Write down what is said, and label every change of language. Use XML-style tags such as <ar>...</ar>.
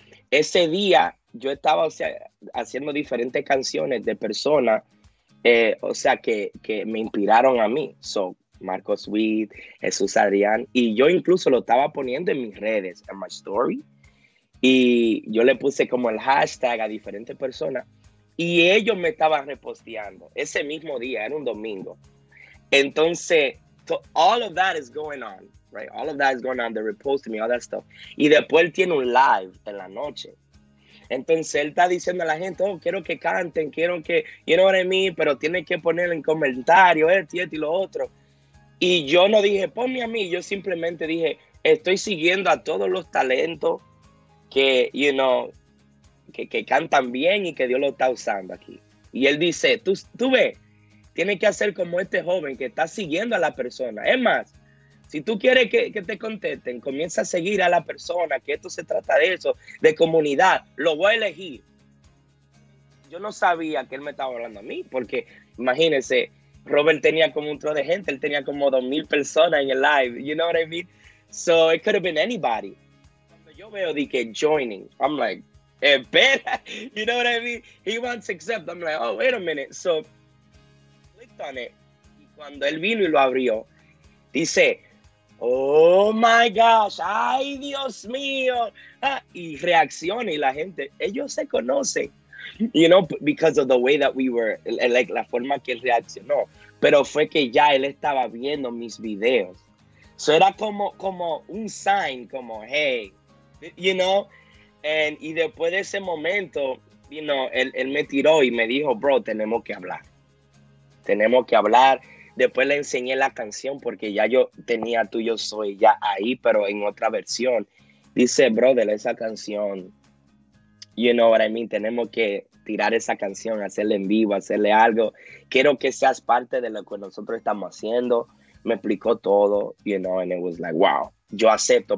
<es>Ese día yo estaba, o sea, haciendo diferentes canciones de personas, o sea, que me inspiraron a mí. So, Marcos Sweet, Jesús Adrián, y yo incluso lo estaba poniendo en mis redes, en</es> <en>my story,</en> <es>y yo le puse como el hashtag a diferentes personas, y ellos me estaban reposteando ese mismo día, era un domingo.</es> <en>Entonces, all of that is going on, right? All of that is going on, they're reposting me, all that stuff.</en> <es>Y después él tiene un live en la noche. Entonces, él está diciendo a la gente, oh, quiero que canten, quiero que,</es> <en>you know what I mean,</en> <es>pero tienen que ponerlo en comentario, esto y lo otro. Y yo no dije, ponme a mí, yo simplemente dije, estoy siguiendo a todos los talentos que,</es> <en>you know,</en> <es>que cantan bien y que Dios lo está usando aquí. Y él dice, tú ves, tienes que hacer como este joven que está siguiendo a la persona. Es más, si tú quieres que te contesten, comienza a seguir a la persona, que esto se trata de eso, de comunidad, lo voy a elegir. Yo no sabía que él me estaba hablando a mí, porque imagínense, Robert tenía como un tro de gente, él tenía como 2,000 personas en el live,</es> <en>you know what I mean? So it could have been anybody.</en> <es>Cuando yo veo de que</es> <en>joining, I'm like,</en> <es>espera,</es> <en>you know what I mean? He wants to accept, I'm like, oh, wait a minute. So, clicked on it,</en> <es>y cuando él vino y lo abrió, dice,</es> <en>oh my gosh,</en> <es>ay Dios mío, ah, y reacciona y la gente, ellos se conocen.</es> <en>You know, because of the way that we were, like,</en> <es>la forma que reaccionó. Pero fue que ya él estaba viendo mis videos. So era como un sign, como,</es> <en>hey, you know.</en> <es>And, y después de ese momento,</es> <en>you know,</en> <es>él me tiró y me dijo, bro, tenemos que hablar. Tenemos que hablar. Después le enseñé la canción porque ya yo tenía Tú Yo Soy ya ahí, pero en otra versión. Dice, brother, esa canción...</es> <en>You know what I mean?</en> <es>Tenemos que tirar esa canción, hacerle en vivo, hacerle algo. Quiero que seas parte de lo que nosotros estamos haciendo. Me explicó todo,</es> <en>you know, and it was like, wow,</en> <es>yo acepto.</es>